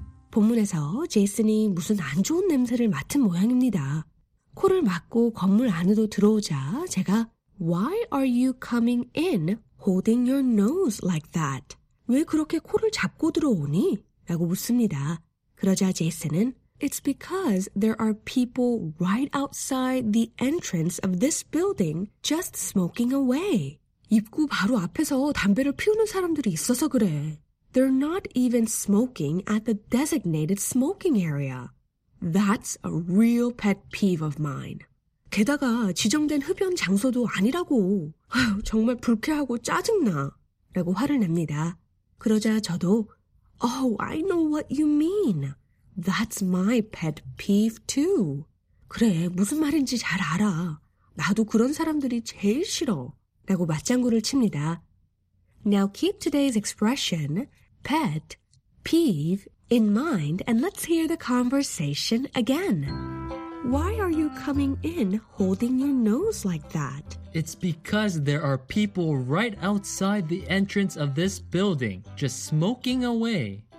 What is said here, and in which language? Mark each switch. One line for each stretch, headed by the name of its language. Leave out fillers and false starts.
Korean: 본문에서 제이슨이 무슨 안 좋은 냄새를 맡은 모양입니다. 코를 막고 건물 안으로 들어오자 제가
English: Why are you coming in holding your nose like that?
Korean: 왜 그렇게 코를 잡고 들어오니? 라고 묻습니다. 그러자 제이슨은
English: It's because there are people right outside the entrance of this building just smoking away.
Korean: 입구 바로 앞에서 담배를 피우는 사람들이 있어서 그래.
English: They're not even smoking at the designated smoking area. That's a real pet peeve of mine.
Korean: 게다가 지정된 흡연 장소도 아니라고. 아유, 정말 불쾌하고 짜증나. 라고 화를 냅니다. 그러자 저도
English: Oh, I know what you mean. That's my pet peeve too.
Korean: 그래, 무슨 말인지 잘 알아. 나도 그런 사람들이 제일 싫어. 라고 맞장구를 칩니다.
English: Now keep today's expression, pet peeve, in mind and let's hear the conversation again. Why are you coming in holding your nose like that? It's because there are people right outside the entrance of this building, just smoking away.